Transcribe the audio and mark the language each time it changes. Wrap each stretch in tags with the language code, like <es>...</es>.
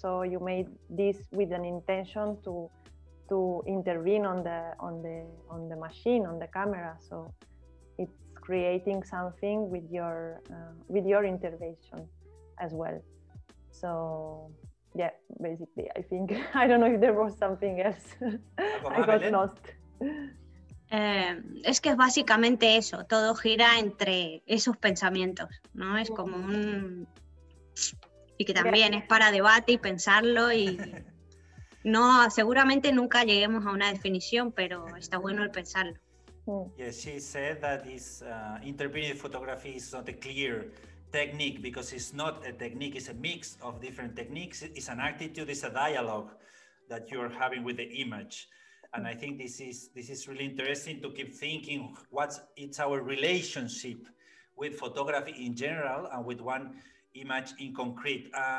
<en>So you made this with an intention to intervene on the machine, on the camera. So it's creating something with your intervention as well. So yeah, basically, I think, I don't know if there was something else. I got lost.</en> <es>Es que es básicamente eso, todo gira entre esos pensamientos, ¿no? Es como un... Y que también es para debate y pensarlo y... No, seguramente nunca lleguemos a una definición, pero está bueno el pensarlo.</es> <en>Yes, she said that this intermediate photography is not a clear technique, because it's not a technique, it's a mix of different techniques. It's an attitude, it's a dialogue that you're having with the image. And I think this is really interesting to keep thinking it's our relationship with photography in general and with one image in concrete.</en>